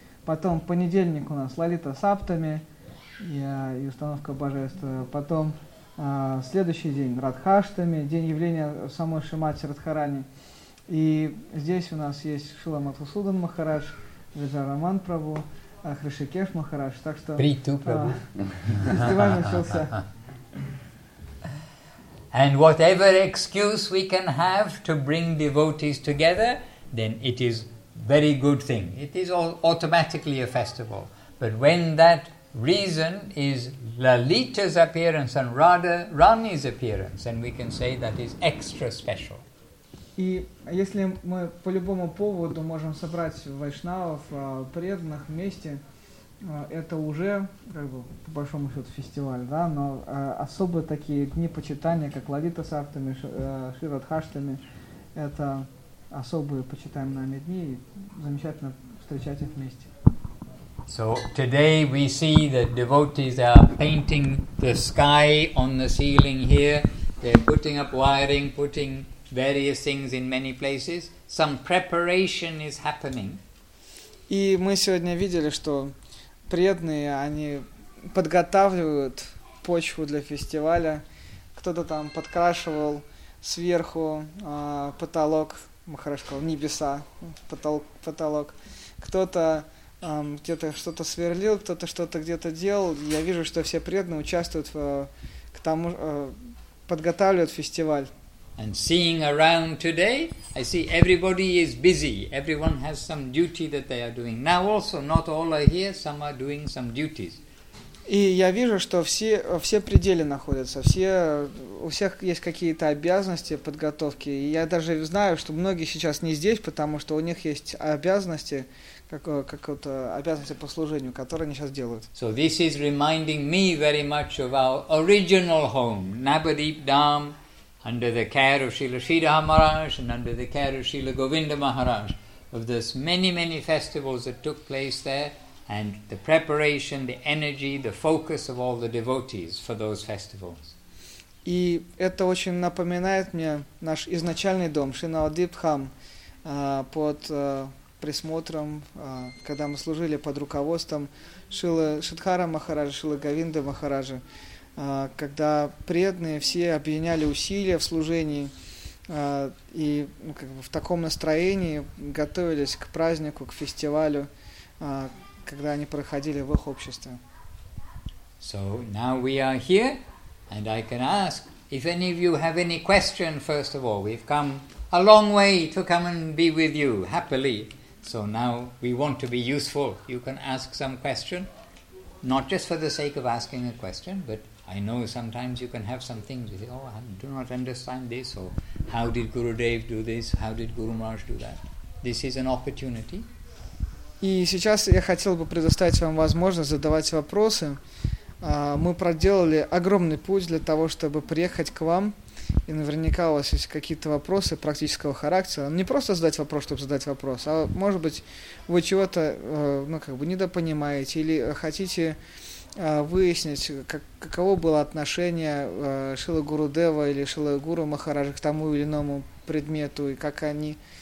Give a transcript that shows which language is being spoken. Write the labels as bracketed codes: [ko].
[ru] Потом понедельник у нас Лалита Саптами и установка божеств. Потом следующий день Радхаштами, день явления самой Шримати Радхарани. И здесь у нас есть Шрила Матхусудан Махарадж, Виджай Раман Прабху, Хришикеш Махарадж, так что Приту Прабху. Фестиваль начался. [en] And whatever excuse we can have to bring devotees together, then it is very good thing. It is all automatically a festival. But when that reason is Lalita's appearance and Radha Rani's appearance, then we can say that is extra special. [ru] И если мы по любому поводу можем собрать вайшнавов, преданных вместе, это уже, как бы, по большому счету, фестиваль, да, но особо такие дни почитания, как Лалита Саптами, Ширадхаштами, это особые почитаем нами дни, и замечательно встречать их вместе. [en] So today we see that devotees are painting the sky on the ceiling here. They're putting up wiring, putting various things in many places. Some preparation is happening. [ru] И мы сегодня видели, что преданные, они подготавливают почву для фестиваля. Кто-то там подкрашивал сверху потолок, Махарашкал, небеса, потолок. Кто-то где-то что-то сверлил, кто-то что-то где-то делал. Я вижу, что все преданные участвуют к тому, подготавливают фестиваль. [en] And seeing around today, I see everybody is busy. Everyone has some duty that they are doing. Now also, not all are here, some are doing some duties. [ru] И я вижу, что все пределы находятся, у всех есть какие-то обязанности, подготовки. И я даже знаю, что многие сейчас не здесь, потому что у них есть обязанности, какие-то обязанности по служению, которые они сейчас делают. [en] So this is reminding me very much of our original home, Nabadeep Dham, under the care of Srila Sridhara Maharaj and under the care of Srila Govinda Maharaj, of those many, many festivals that took place there. And the preparation, the energy, the focus of all the devotees for those festivals. [ru] И это очень напоминает мне наш изначальный дом, Шринавадвип Дхам, под присмотром, когда мы служили под руководством Шрилы Шридхары Махараджа, Шрилы Говинды Махараджа, когда преданные все объединяли усилия в служении и в таком настроении готовились к празднику, к фестивалю, когда они проходили в их обществе. [en] So now we are here, and I can ask if any of you have any question, first of all. We've come a long way to come and be with you, happily. So now we want to be useful. You can ask some question, not just for the sake of asking a question, but I know sometimes you can have some things. You say, oh, I do not understand this, or how did Gurudev do this, how did Guru Maharaj do that. This is an opportunity. [ru] И сейчас я хотел бы предоставить вам возможность задавать вопросы. Мы проделали огромный путь для того, чтобы приехать к вам. И наверняка у вас есть какие-то вопросы практического характера. Не просто задать вопрос, чтобы задать вопрос, а может быть вы чего-то недопонимаете или хотите выяснить, каково было отношение Шрилы Гурудева или Шрилы Гуру Махараджа к тому или иному предмету и как они...